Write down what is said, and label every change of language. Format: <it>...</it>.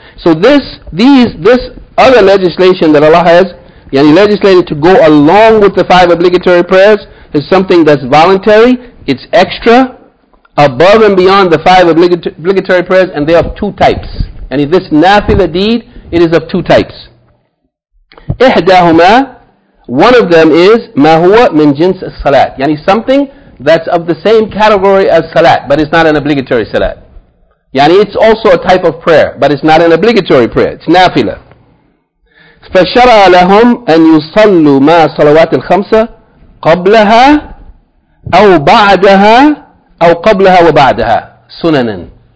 <en>So this other legislation that Allah has, yani, legislated to go along with the five obligatory prayers, is something that's voluntary, it's extra, above and beyond the five obligatory prayers, and they are of two types. And yani, this nafila deed, it is of two types.</en> <ar>إِحْدَاهُمَا,</ar> <en>one of them is,</en> <ar>مَا هُوَ مِنْ جِنْسِ الصَّلَاةِ.</ar> <en>Yani, something that's of the same category as salat, but it's not an obligatory salat. Yani, it's also a type of prayer, but it's not an obligatory prayer. It's nafila.</en> <ar>فَشَرَعَ لَهُمْ أَنْ يُصَلُّوا مَا صَلَوَاتِ الْخَمْسَ قَبْلَهَا أَوْ بَعْدَهَا أَوْ قَبْلَهَا وَبَعْدَهَا سُنَنًا.</ar>